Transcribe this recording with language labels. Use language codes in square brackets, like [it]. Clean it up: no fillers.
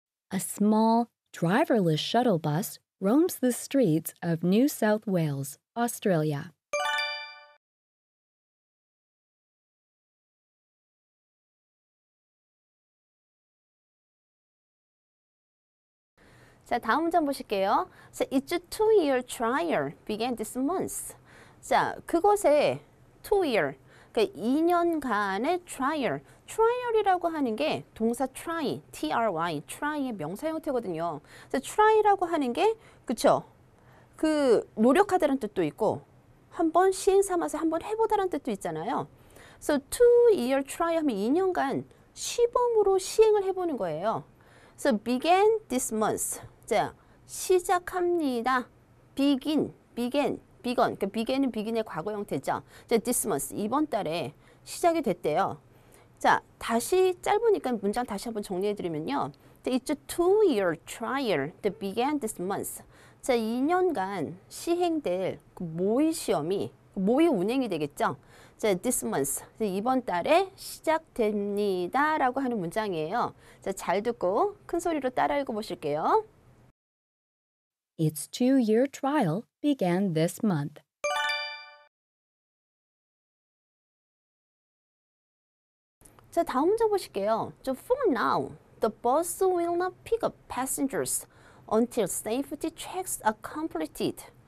[en] A small driverless shuttle bus roams the streets of New South Wales, Australia. [ko] So, 다음 문장 보실게요. [en] So, it's a two-year trial began this month. [ko] So, 그곳에 two-year 2년간의 trial, trial이라고 하는 게 동사 try, try, try의 명사 형태거든요. 그래서 try라고 하는 게 그쵸? 그 노력하다는 뜻도 있고 한번 시행 삼아서 한번 해보다는 뜻도 있잖아요. So two-year trial 하면 2년간 시범으로 시행을 해보는 거예요. [en] So began this month. [ko] 자, 시작합니다. Begin, begin. Begin, 그 begin은 begin의 과거 형태죠. 자, this month, 이번 달에 시작이 됐대요. 자, 다시 짧으니까 문장 다시 한번 정리해드리면요. [en] It's a two-year trial that began this month. [ko] 자, 2년간 시행될 그 모의 시험이, 모의 운행이 되겠죠. 자, this month, 이번 달에 시작됩니다. 라고 하는 문장이에요. 자, 잘 듣고 큰 소리로 따라 읽어보실게요. [en] Its two-year trial began this month. [ko] So, 다음 문장 보실게요. [en] So, for now, the bus will not pick up passengers until safety checks are completed.